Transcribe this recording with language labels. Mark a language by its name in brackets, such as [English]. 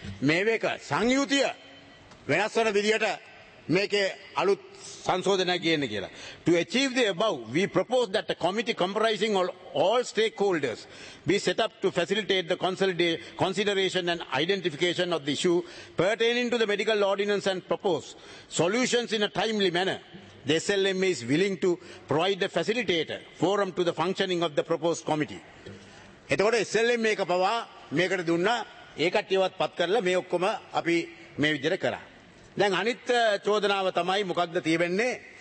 [Sinhala] මේවක සංයුතිය වෙනස් වෙන විදියට මේකේ අලුත් [English] To achieve the above, we propose that a committee comprising all stakeholders be set up to facilitate the consideration and identification of the issue pertaining to the medical ordinance and propose solutions in a timely manner. The SLM is willing to provide the facilitator forum to the functioning of the proposed committee. [Sinhala] එතකොට SLM මේක පවා මේකට දුන්නා ඒකටියවත් පත් කරලා මේ ඔක්කොම අපි මේ විදිහට කරා. දැන් අනිත් චෝදනාව තමයි මොකක්ද තියෙන්නේ